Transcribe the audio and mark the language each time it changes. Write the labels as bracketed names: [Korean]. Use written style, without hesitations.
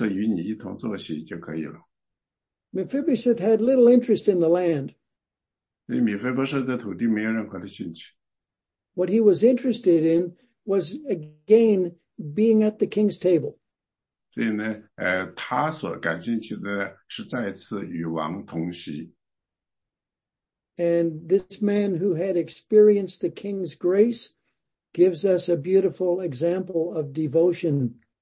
[Chinese] 所以呢，洗巴呢可以拿去一切，就是呢，就算是我能够再次与你一同坐席就可以了。 [English] Mephibosheth had little interest in the land. [Chinese] 所以米非波设的土地没有任何的兴趣。 [English] What he was interested in was again being at the king's table. [Chinese] 所以呢，他所感兴趣的是再次与王同席。 [English] And this man who had experienced the king's grace gives us a beautiful example of devotion.